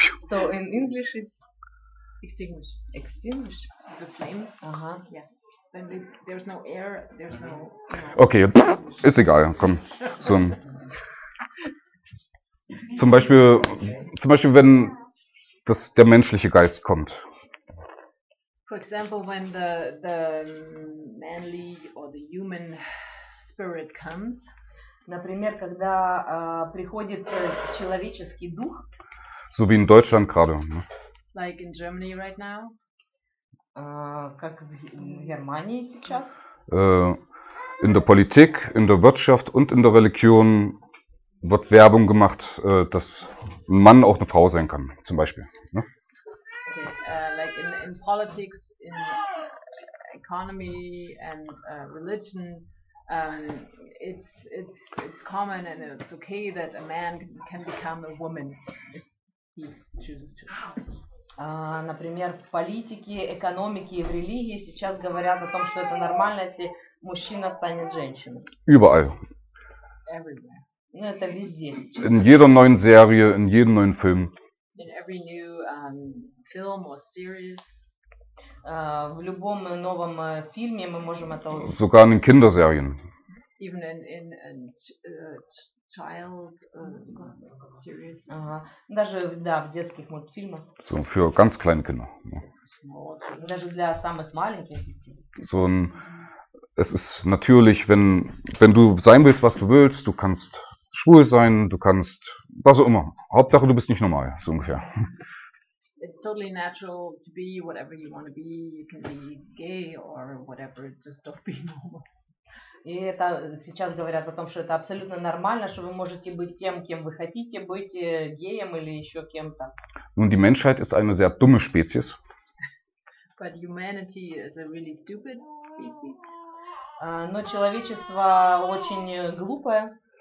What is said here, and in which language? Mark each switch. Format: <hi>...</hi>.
<en>So, in English it's extinguish the flames.</en> <de>Aha, ja.</de> <en>Then there's no air, there's no.</en> <de>Okay, ist egal, komm. So, zum Beispiel, wenn das, der menschliche Geist kommt.</de> <en>For example, when the manly or the human spirit comes.</en> <ru>Например, когда приходит человеческий дух.</ru> <de>So wie in Deutschland gerade. Ne?</de> <en>Like in Germany right now.</en> <ru>Как в Германии сейчас.</ru> <de>In der Politik, in der Wirtschaft und in der Religion wird Werbung gemacht, dass ein Mann auch eine Frau sein kann, zum Beispiel. Ne?</de> <en>Okay, like in politics, in economy and religion. It's common and it's okay that a man can become a woman if he chooses to.</en> <ru>Например, в политике, экономике и в религии сейчас говорят о том, что это нормально, если мужчина станет женщиной.</ru> <de>Überall.</de> <en>Everywhere.</en> <ru>Ну это везде.</ru> <de>In jeder neuen Serie, in jedem neuen Film.</de> <en>In every new film or series.</en> <ru>В любом новом фильме мы можем это увидеть.</ru> <de>Sogar in Kinderserien.</de> <en>Even in child series.</en> <ru>Даже да, в детских мультфильмах.</ru> <de>So für ganz kleine Kinder.</de> <ru>Даже для самых маленьких детей.</ru> <de>So es ist natürlich, wenn du sein willst, was du willst, du kannst schwul sein, du kannst was auch immer. Hauptsache, du bist nicht normal, so ungefähr.</de> <en>It's totally natural to be whatever you want to be. You can be gay or whatever, just don't be normal.</en> <ru>И это сейчас говорят о том, что это абсолютно нормально, что вы можете быть тем, кем вы хотите быть, геем или еще кем-то.</ru> <de>Nun, die Menschheit ist eine sehr dumme Spezies.</de> <en>But humanity is a really stupid species.</en> <ru>Но человечество очень глупое.</ru>